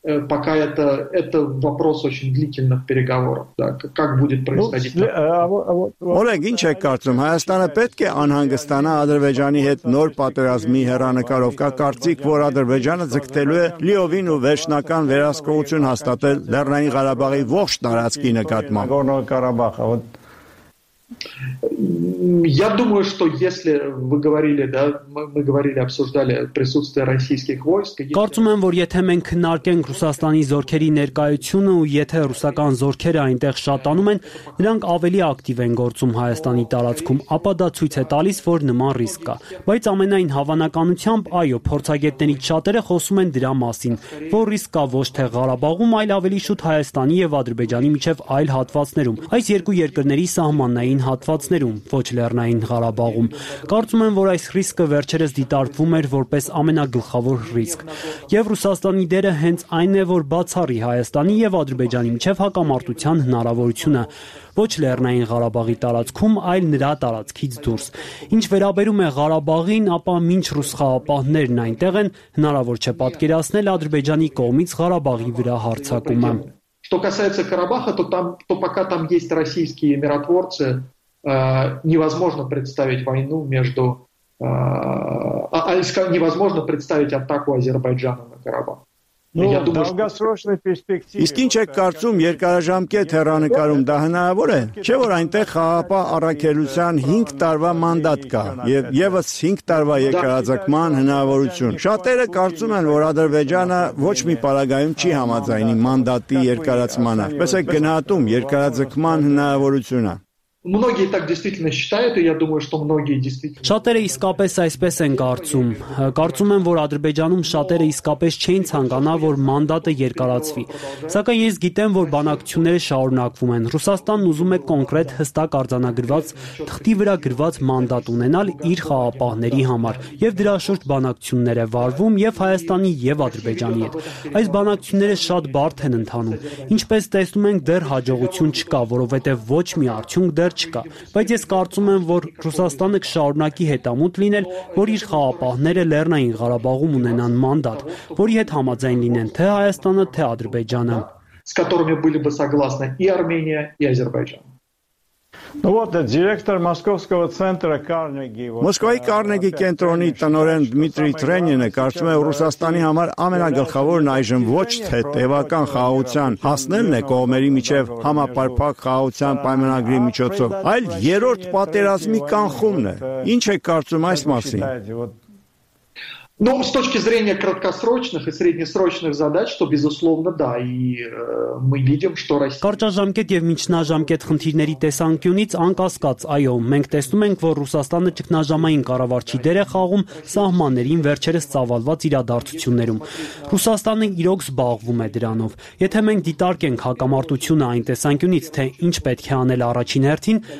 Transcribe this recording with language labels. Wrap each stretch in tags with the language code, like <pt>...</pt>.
<ru>Пока это вопрос очень длительных переговоров. Так, как будет происходить?</ru> <hy>Олег, ինչ եք կարծում, Հայաստանը պետք է անհանգստանա Ադրբեջանի հետ նոր պատերազմի հեռանկարով, կա կարծիք, որ Ադրբեջանը ձգտելու է լիովին ու վերջնական վերահսկողություն հաստատել Լեռնային Ղարաբաղի ողջ տարածքի նկատմամբ?</hy> <ru>Я думаю, что если вы говорили, да, мы говорили, обсуждали присутствие российских войск.</ru> <hy>Կարծում եմ, որ եթե մենք քննարկենք Ռուսաստանի զորքերի ներկայությունը ու եթե ռուսական զորքերը այնտեղ շատանում են, նրանք ավելի ակտիվ են գործում Հայաստանի տարածքում, ապա դա ցույց է տալիս, որ նման ռիսկ կա։ Բայց ամենայն հավանականությամբ, այո, փորձագետների շատերը խոսում են դրա մասին, որ ռիսկ կա ոչ թե Ղարաբաղում, այլ ավելի շուտ Հայաստանի եւ Ադրբեջանի միջև այլ հատվածներում, այս երկու երկրների սահմանային հատվածներում, ոչ Լեռնային Ղարաբաղում։ Կարծում եմ, որ այս ռիսկը վերջերս դիտարկվում էր որպես ամենագլխավոր ռիսկ, և Ռուսաստանի դերը հենց այն է, որ բացառի Հայաստանի և Ադրբեջանի միջև հակամարտության հնարավորությունը, ոչ Լեռնային Ղարաբաղի տարածքում, այլ նրա տարածքից դուրս։ Ինչ վերաբերում է Ղարաբաղին, ապա մինչ ռուս խաղապահներն այնտեղ են, հնարավոր չէ պատկերացնել Ադրբեջանի կողմից Ղարաբաղի վրա հարձակումը։</hy> <ru>Что касается Карабаха, то там, то пока там есть российские миротворцы, невозможно представить войну между, невозможно представить атаку Азербайджана на Карабах.</ru> <hy>Իսկ ինչ եք կարծում, երկարաժամկետ հեռանկարում դա հնարավոր է, չէ՞ որ այնտեղ խաղապահ առաքելության 5 տարվա մանդատ կա և ևս 5 տարվա երկարաձգման հնարավորություն։ Շատերը կարծում են, որ Ադրբեջանը ոչ մի պարագայում չի համաձայնի մանդատի երկարացմանը, պես է գնահատում երկարաձգման հնարավորությունը։</hy> <ru>Многие так действительно считают, и я думаю, что многие действительно.</ru> <hy>Շատերը իսկապես այսպես են կարծում։ Կարծում եմ, որ Ադրբեջանում շատերը իսկապես չեն ցանկանա, որ մանդատը երկարացվի։ Սակայն ես գիտեմ, որ բանակցությունները շարունակվում են։ Ռուսաստանն ուզում է կոնկրետ հստակ արձանագրված թղթի վրա գրված մանդատ ունենալ իր խաղապահների համար, եւ դրա շուրջ բանակցություններ է վարվում եւ Հայաստանի եւ Ադրբեջանի հետ։ Այս բանակցությունները շատ բարդ են ընթանում։ Ինչպես տեսնում ենք, դեռ հաջողություն չկա, որովհետեւ ոչ մի արդյունք դեռ չկա, բայց ես կարծում եմ, որ Ռուսաստանը կշարունակի հետամուտ լինել, որ իր խաղապահները Լեռնային Ղարաբաղում ունենան մանդատ, որի հետ համաձայն լինեն թե Հայաստանը, թե Ադրբեջանը,</hy> <ru>с которыми были бы согласны и Армения, и Азербайджан. Ну вот, директор Московского центра Карнеги.</ru> <hy>Մոսկվայի Կարնեգի կենտրոնի տնօրեն Դմիտրի Տրենինը կարծում է, որ Ռուսաստանի համար ամենագլխավորն այժմ ոչ թե տևական խաղաղության հասնելն է կողմերի միջև համապարփակ խաղաղության պայմանագրի միջոցով, այլ երրորդ պատերազմի կանխումն է։ Ինչ եք կարծում այս մասին?</hy> <ru>Ну, с точки зрения краткосрочных и среднесрочных задач, то безусловно, да, и мы видим, что Россия.</ru> <hy>Կարճաժամկետ եւ միջնաժամկետ խնդիրների տեսանկյունից անկասկած, այո, մենք տեսնում ենք, որ Ռուսաստանը ճգնաժամային կառավարչի դեր է խաղում սահմաններին վերջերս ծավալված իրադարձություններում։ Ռուսաստանը իրոք զբաղվում է դրանով։ Եթե մենք դիտարկենք հակամարտությունը այն տեսանկյունից, թե ինչ պետք է անել առաջին հերթին,</hy>